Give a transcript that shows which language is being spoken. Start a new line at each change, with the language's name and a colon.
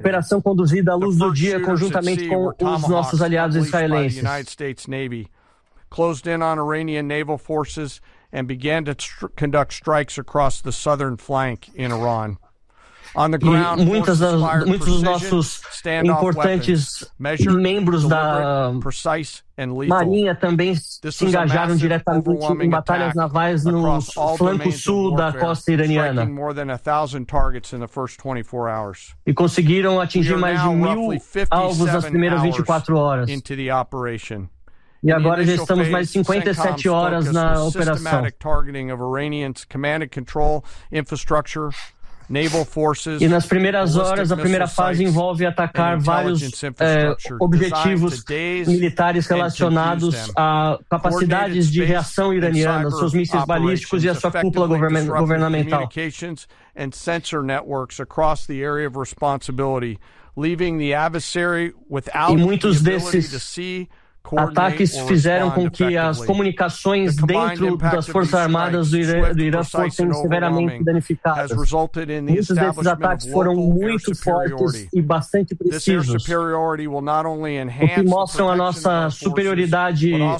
Portuguese: Operação conduzida à luz do dia conjuntamente com os nossos aliados israelenses.
English: United States Navy closed in on Iranian naval forces and began to conduct strikes across the southern flank in Iran. On the ground,
Portuguese: muitos dos nossos importantes weapons, membros da Marinha também se engajaram diretamente em batalhas navais no flanco sul da costa iraniana
English: more than 1,000 targets in the first 24 hours.
Portuguese: E conseguiram atingir mais de 1,000 alvos nas primeiras 24 horas. E agora já estamos mais de 57 horas na operação.
English: Systematic targeting of Iranian's command and control infrastructure. Naval forces,
Portuguese: e nas primeiras horas, a primeira fase envolve atacar vários objetivos militares relacionados a capacidades de reação iraniana, seus mísseis balísticos e a sua cúpula governamental.
English: And sensor networks across the area of responsibility, leaving the adversary without
Portuguese: e muitos desses ataques fizeram com que as comunicações dentro das Forças Armadas do Irã fossem severamente danificadas. Muitos desses ataques foram muito fortes e bastante precisos, o que mostram a nossa superioridade.